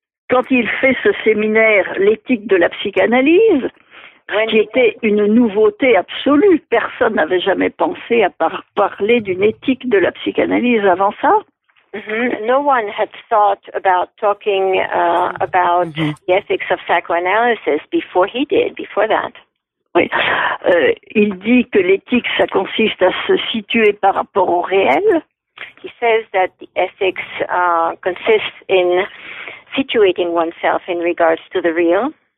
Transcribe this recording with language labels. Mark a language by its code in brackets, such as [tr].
[fr] Quand il fait ce séminaire, l'éthique de la psychanalyse, qui était une nouveauté absolue, personne n'avait jamais pensé à parler d'une éthique de la psychanalyse avant ça. [en] No one had thought about talking about the ethics of psychoanalysis before he did, before that. [fr] Oui. Il dit que l'éthique, ça consiste à se situer par rapport au réel. [en] He says that the ethics consists in situating oneself in regards to the real.